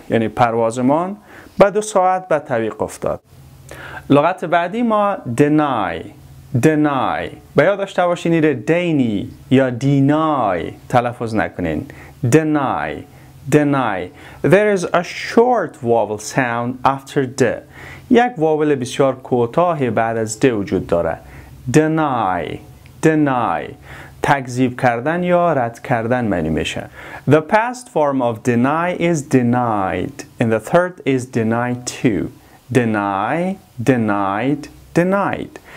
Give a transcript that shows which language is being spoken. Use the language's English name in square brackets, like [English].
[Persian] یعنی پروازمان به 2 ساعت به تعویق افتاد. لغت بعدی ما deny. Deny. به یاد داشته باشین اینه دینی یا دینای. تلفظ نکنین. [English] Deny. Deny. There is a short vowel sound after d. [Persian] یک وابل بسیار کوتاه بعد از d وجود داره. [English] Deny. Deny. [Persian] تکذیب کردن یا رد کردن معنی میشه. [English] The past form of deny is denied. And the third is deny too. Deny. Denied. Denied.